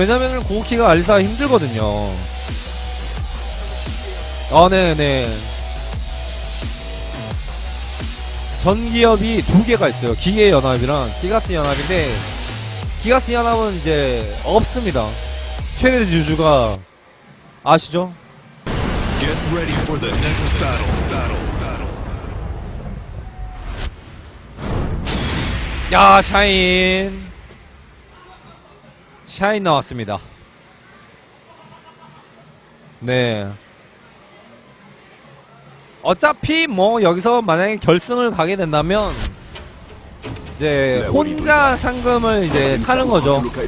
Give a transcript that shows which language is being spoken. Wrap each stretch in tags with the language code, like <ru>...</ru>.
<ko>왜냐면 고우키가 알리사 힘들거든요. 아 네네 전기엽이 두 개가 있어요. 기계 연합이랑 기가스 연합인데 기가스 연합은 이제 없습니다. 최대 주주가 아시죠?</ko> <en>Get ready for the next battle.</en> <ko>야 샤인 샤인 나왔습니다. 네 어차피 뭐 여기서 만약에 결승을 가게 된다면 이제 혼자 상금을 이제 타는 거죠.</ko>